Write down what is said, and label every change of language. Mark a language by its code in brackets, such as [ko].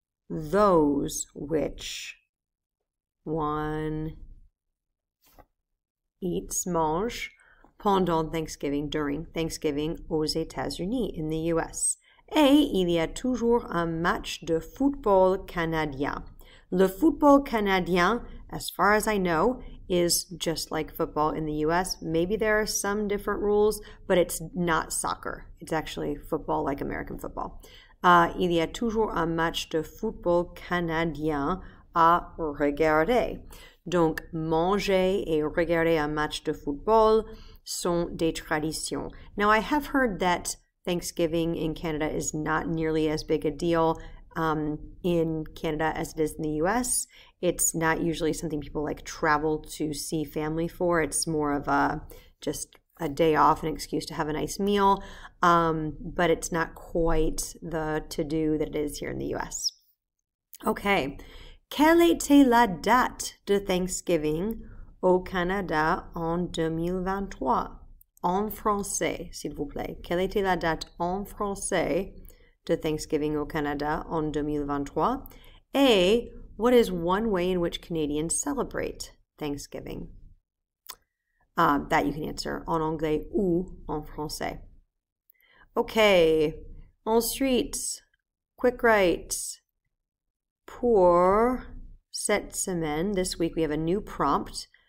[en] Those which one eats, mange, [fr] pendant Thanksgiving, [en] during Thanksgiving [fr] aux États-Unis, [en] in the US. [fr] Et il y a toujours un match de football canadien. Le football canadien, [en] as far as I know, is just like football in the US. Maybe there are some different rules, but it's not soccer. It's actually football like American football. [fr] Il y a toujours un match de football canadien à regarder. Donc, manger et regarder un match de football sont des traditions. [en] Now, I have heard that Thanksgiving in Canada is not nearly as big a deal in Canada as it is in the US. It's not usually something people like travel to see family for. It's more of a just a day off, an excuse to have a nice meal. But it's not quite the to-do that it is here in the US. Okay. [fr] Quelle était la date de Thanksgiving au Canada en 2023? En français, s'il vous plaît. Quelle était la date en français de Thanksgiving au Canada en 2023? [en] Et what is one way in which Canadians celebrate Thanksgiving? That you can answer [fr] en anglais ou en français. [en] OK. Ensuite, quick write. [fr] Pour cette semaine, [en] this week, we have a new prompt.